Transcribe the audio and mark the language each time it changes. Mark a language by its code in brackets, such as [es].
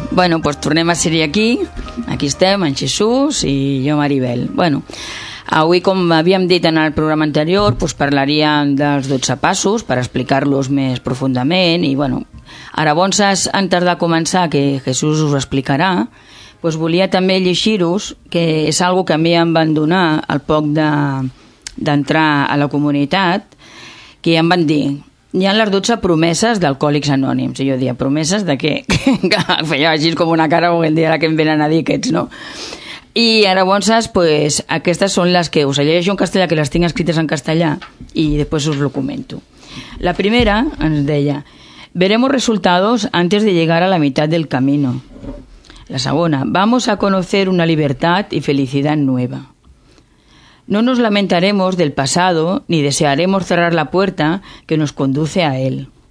[ca] Bueno, pues tornem a ser aquí. Aquí estem, en Jesús i jo, Maribel. Bueno, avui, com havíem dit en el programa anterior, pues parlaríem dels 12 passos per explicar-los més profundament. I bueno, ara, bons, han tardat a començar, que Jesús us ho explicarà, pues volia també llegir-vos, que és algo que a mi em van donar al poc d'entrar a la comunitat, que em van dir... Hi ha les 12 promeses d'alcohòlics anònims. I jo dia, promeses de què? Feia així com una cara, o el dia ara que em venen a dir aquests, no? I ara, bon saps, pues, aquestes són les que us llegeixo en castellà, que les tinc escrites en castellà, i després us ho comento. La primera ens deia, [es] veremos resultados antes de llegar a la mitad del camino. [ca] La segona, [es] vamos a conocer una libertad y felicidad nueva. No nos lamentaremos del pasado ni desearemos cerrar la puerta que nos conduce a él.